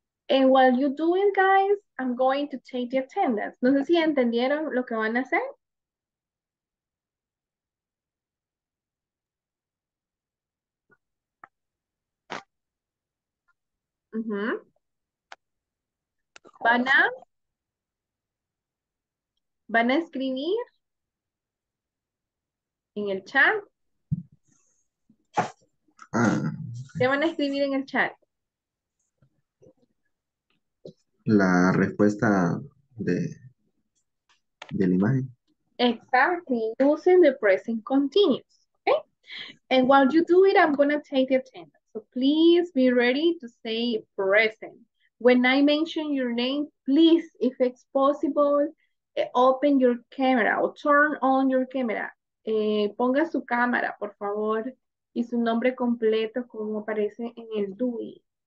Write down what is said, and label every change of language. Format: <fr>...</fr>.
<en>And while you do it, guys, I'm going to take the attendance.</en> <es>No sé si entendieron lo que van a hacer. Van a escribir en el chat. ¿Qué van a escribir en el chat? La respuesta de la imagen.</es> <en>Exactly, using the present continuous. Okay. And while you do it, I'm gonna take the attendance. So please be ready to say present. When I mention your name, please, if it's possible, open your camera or turn on your camera.</en> <es>Ponga su cámara, por favor, y su nombre completo como aparece en el Dewey.</es>